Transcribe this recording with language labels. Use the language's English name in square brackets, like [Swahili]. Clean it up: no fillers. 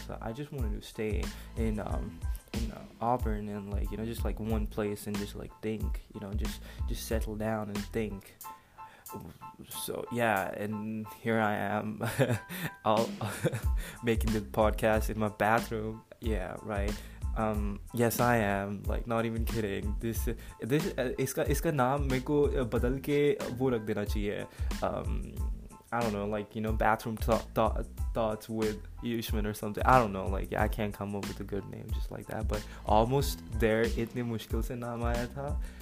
[English] So I just wanted to stay in Auburn, and like, you know, just like one place, and just like think, you know, just settle down and think. So yeah, and here I am, I'll making the podcast in my bathroom. Yeah, right. Yes, I am, like, not even kidding. This [Hindi] इसका नाम मेको बदल के वो रख देना चाहिए. [English] I don't know, like, you know, bathroom thoughts with Yushman or something. I don't know, like, I can't come up with a good name just like that. But Almost There, [Hindi] itne mushkil se naam aaya tha.